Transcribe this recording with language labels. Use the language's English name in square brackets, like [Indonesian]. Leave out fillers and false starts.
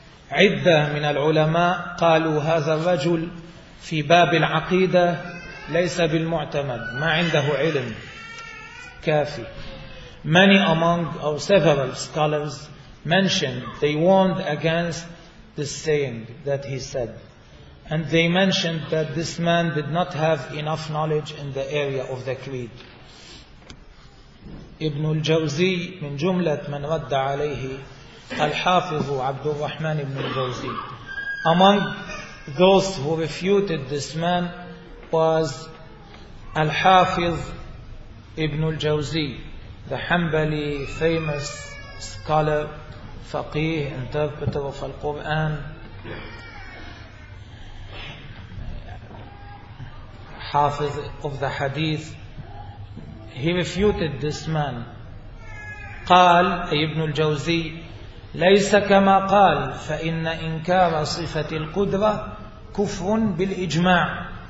[Arabic] عدة من العلماء قالوا هذا الرجل في باب العقيدة ليس بالمعتمد، ما عنده علم كافي. [English] Many among or several scholars mentioned, they warned against this saying that he said. And they mentioned that this man did not have enough knowledge in the area of the creed. [Arabic] Ibn al-Jawzi, من جملة من رد عليه الحافظ عبد الرحمن بن الجوزي [English] Among those who refuted this man was Al-Hafiz Ibn al-Jawzi, the Hanbali famous scholar, faqih, interpreter of Al-Quran, Hafiz of the Hadith. He refuted this man. [Arabic] قال أي ابن الجوزي ليس كما قال فإن إنكار صفة القدرة كفر بالإجماع.